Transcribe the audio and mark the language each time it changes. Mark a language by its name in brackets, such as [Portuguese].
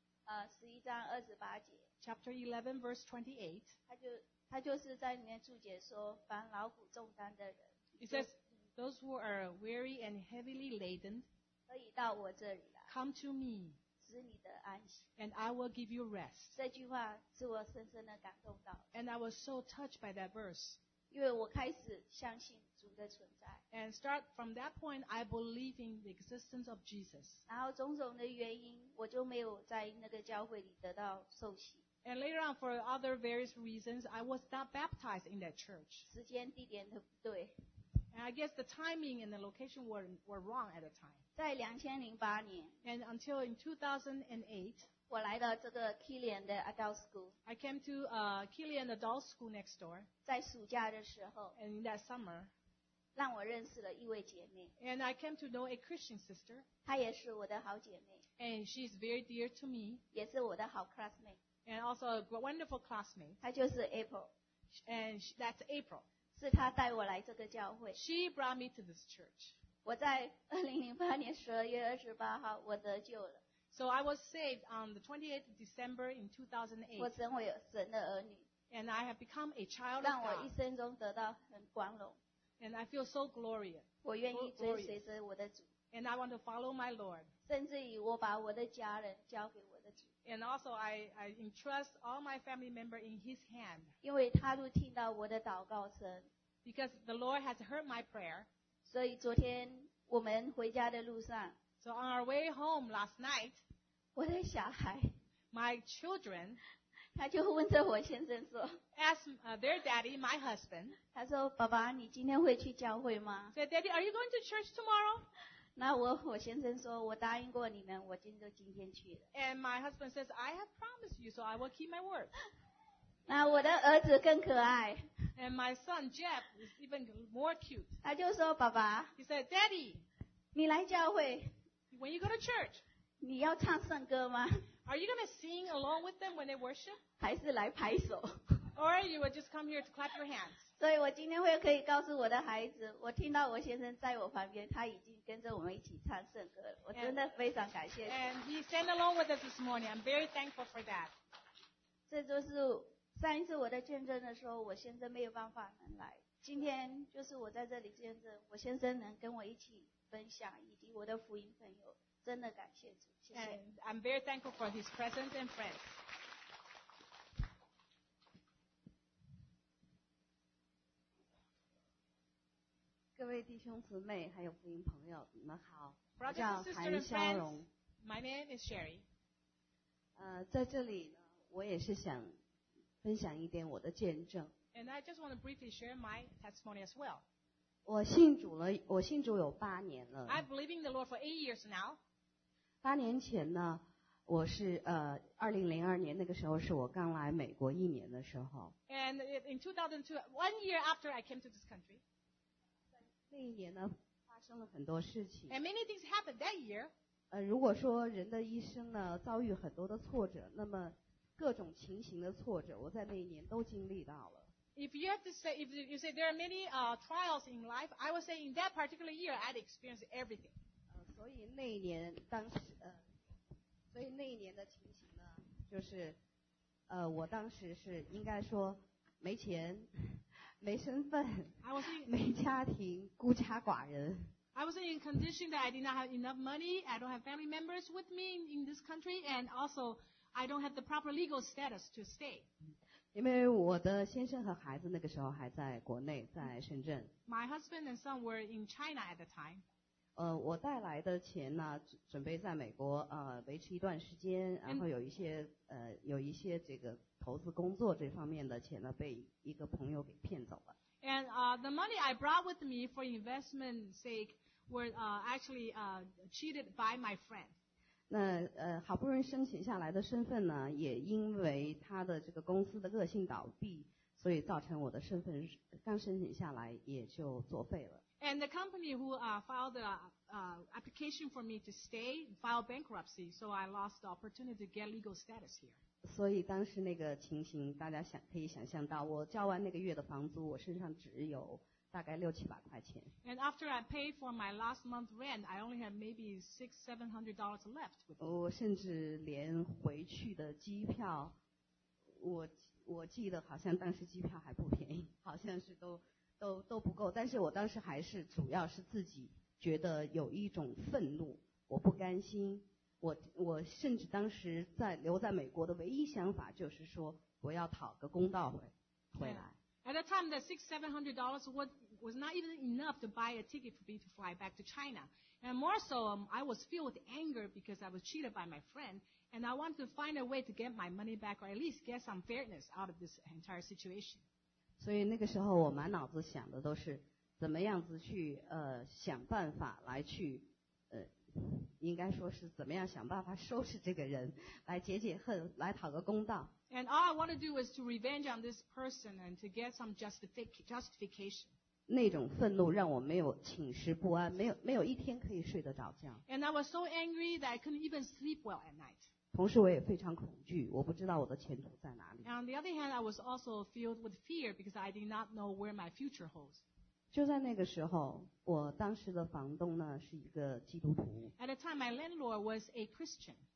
[Chinese] 11章28节 [English] Chapter 11, verse 28. [Chinese] 他就是在里面注解说，凡劳苦重担的人。 [English] It says, those who are weary and heavily laden, [Chinese] 可以到我这里来。 [English] Come to me, [Chinese] 使你得安息。 [English] And I will give you rest. [Chinese] 这句话是我深深的感动到。 [English] And I was so touched by that verse. [Chinese] 因为我开始相信主的存在。 [English] And start from that point, I believe in the existence of Jesus. [Chinese] 然后种种的原因，我就没有在那个教会里得到受洗。 [English] And later on, for other various reasons, I was not baptized in that church. [Chinese] 时间地点都不对。 [English] And I guess the timing and the location were wrong at the time. [Chinese] 在2008年。 [English] And until in 2008, [Chinese] 我来到这个 Killian 的 Adult School. [English] I came to Killian Adult School next door. [Chinese] 在暑假的时候。 [English] And in that summer. [Chinese] 让我认识了一位姐妹。 [English] And I came to know a Christian sister. [Chinese] 她也是我的好姐妹。 [English] And she's very dear to me. [Chinese] 也是我的好 classmate. [English] And also a wonderful classmate. [Chinese] 她就是 April. [English] And that's April. [Chinese] 是她带我来这个教会。 [English] She brought me to this church. [Chinese] 我在2008年12月28号我得救了。 [English] So I was saved on the 28th of December in 2008. [Chinese] 我成为神的儿女。 [English] And I have become a child of God. [Chinese] 让我一生中得到很光荣。 [English] And I feel so glorious. [Chinese] 我愿意追随着我的主。 [English] And I want to follow my Lord. [Chinese] 甚至于我把我的家人交给我的主。 [English] And also I entrust all my family members in His hand. [Chinese] 因为他都听到我的祷告声。 [English] Because the Lord has heard my prayer. [Chinese] 所以昨天我们回家的路上。 [English] So on our way home last night, [Chinese] 我的小孩 [English] my children, [Chinese] 他就问着我先生说 [English] asked their daddy, my husband, [Chinese] 他说爸爸你今天会去教会吗 [English] said, Daddy, are you going to church tomorrow? [Chinese] 那 我先生说我答应过你们我今天就今天去了 [English] And my husband says, I have promised you, so I will keep my word. [Chinese] 那我的儿子更可爱 [English] And my son, Jeff, is even more cute. [Chinese] 他就说爸爸 [English] He said, Daddy, [Chinese] 你来教会 [English] When you go to church, [Chinese] 你要唱圣歌吗 [English] Are you going to sing along with them when they worship? [Chinese] 还是来拍手 [English] Or you will just come here to clap your hands. [Chinese] 所以我今天会可以告诉我的孩子，我听到我先生在我旁边，他已经跟着我们一起唱圣歌了。我真的非常感谢。 [English] And he sang along with us this morning. I'm very thankful for that. [Chinese] 这就是上一次我在见证的时候，我先生没有办法能来。今天就是我在这里见证，我先生能跟我一起。分享以及我的福音朋友，真的感谢主，谢谢。 [English] And I'm very thankful for his presence and friends. [Chinese] 各位弟兄姊妹还有福音朋友，你们好。 [English] Brothers and sisters and friends, my name is Sherry. [Chinese] 在这里呢，我也是想分享一点我的见证。 [English] And I just want to briefly share my testimony as well. [Chinese] 我信主了，我信主有八年了。 [English] I'm believing the Lord for eight years now. [Chinese] 八年前呢，我是2002年那个时候是我刚来美国一年的时候。 [English] And in 2002, one year after I came to this country. [Chinese] 那一年呢，发生了很多事情。 [English] And many things happened that year. [Chinese] 如果说人的一生呢遭遇很多的挫折，那么各种情形的挫折，我在那一年都经历到了。 [English] If you have to say, if you say there are many trials in life, I would say in that particular year I'd experienced everything. [Chinese] 所以那一年当时所以那一年的情形呢，就是我当时是应该说没钱，没身份 [English] I was in, [Chinese] 没家庭，孤家寡人。 [English] I was in condition that I did not have enough money. I don't have family members with me in this country, and also I don't have the proper legal status to stay. [Chinese] 因为我的先生和孩子那个时候还在国内，在深圳。 [English] My husband and son were in China at the time. [Chinese] 我带来的钱呢，准备在美国维持一段时间，然后有一些有一些这个投资工作这方面的钱呢，被一个朋友给骗走了。 [English] And the money I brought with me for investment sake were actually cheated by my friend. [Chinese] 那好不容易申请下来的身份呢，也因为他的这个公司的恶性倒闭，所以造成我的身份刚申请下来也就作废了。 [English] And the company who filed the application for me to stay filed bankruptcy, so I lost the opportunity to get legal status here. [Chinese] 所以当时那个情形，大家想可以想象到，我交完那个月的房租，我身上只有大概六七百块钱。 [English] And after I paid for my last month rent, I only had maybe $600-$700 left. [Chinese] 我甚至连回去的机票，我记得好像当时机票还不便宜，好像是都不够。但是我当时还是主要是自己觉得有一种愤怒，我不甘心。我甚至当时在留在美国的唯一想法就是说，我要讨个公道回来。 [English] Yeah. At that time, the $600-$700 was not even enough to buy a ticket for me to fly back to China. And more so, I was filled with anger because I was cheated by my friend. And I want to find a way to get my money back or at least get some fairness out of this entire situation. [Chinese] 所以那个时候我满脑子想的都是怎么样子去想办法来去应该说是怎么样想办法收拾这个人来解解恨来讨个公道。 [English] And all I want to do is to revenge on this person and to get some justification. [Chinese] 那种愤怒让我没有寝食不安，没有一天可以睡得着觉。 [English] And I was so angry that I couldn't even sleep well at night. [Chinese] 同时我也非常恐惧，我不知道我的前途在哪里。 [English] And on the other hand, I was also filled with fear because I did not know where my future holds. [Chinese] 就在那个时候，我当时的房东呢是一个基督徒。 [English] At the time, my landlord was a Christian.